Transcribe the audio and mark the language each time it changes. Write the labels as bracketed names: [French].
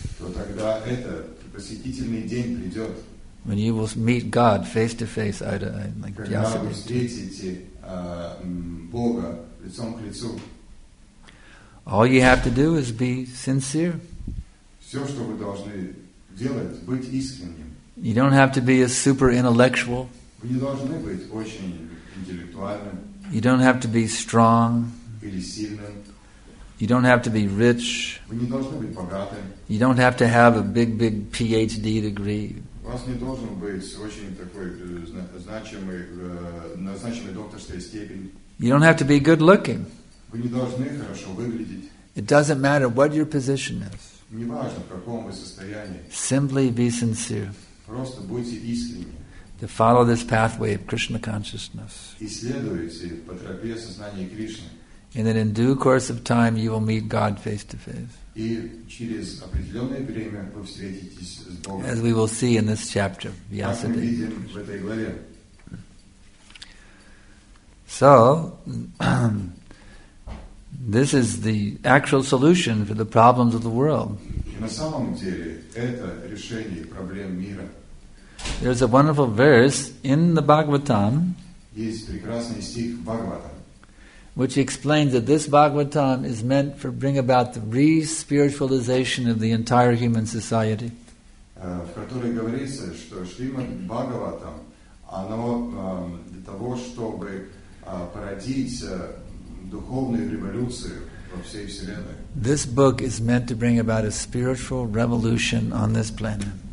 [Russian] То тогда это посвятительный день придет. [English] When you will meet God face to face, like Vyasadeva. [Russian] Когда вы встретите Бога лицом к лицу. [English] All you have to do is be sincere. [Russian] Все, что вы должны делать, быть искренним. [English] You don't have to be a super intellectual. [Russian] Вы не должны быть очень интеллектуальным. [English] You don't have to be strong. [Russian] Или сильным. [English] You don't have to be rich. [Russian] Вы не должны быть богатым. [English] You don't have to have a big PhD degree. [Russian] У вас не должен быть очень такой значимый докторской степени. [English] You don't have to be good looking. [Russian] Вы не должны хорошо выглядеть. [English] It doesn't matter what your position is. [Russian] Не важно, в каком вы состоянии. [English] Simply be sincere. [Russian] Просто будьте искренни. [English] To follow this pathway of Krishna consciousness. [Russian] Исследуйте по тропе сознания Кришны. [English] And then in due course of time you will meet God face to face. [Russian] И через определенное время вы встретитесь с Богом. [English] As we will see in this chapter, Vyasadeva. [Russian] Как мы видим в этой главе. [English] So, this is the actual solution for the problems of the world. [Russian] И на самом деле это решение проблем мира. [English] There's a wonderful verse in the Bhagavatam. [Russian] Есть прекрасный стих в Бхагаватам. [English] Which explains that this Bhagavatam is meant to bring about the re-spiritualization of the entire human society. [Russian] В которой говорится, что Шримад Бхагаватам, оно для того, чтобы породить духовную революцию во всей вселенной. [English] This book is meant to bring about a spiritual revolution on this planet.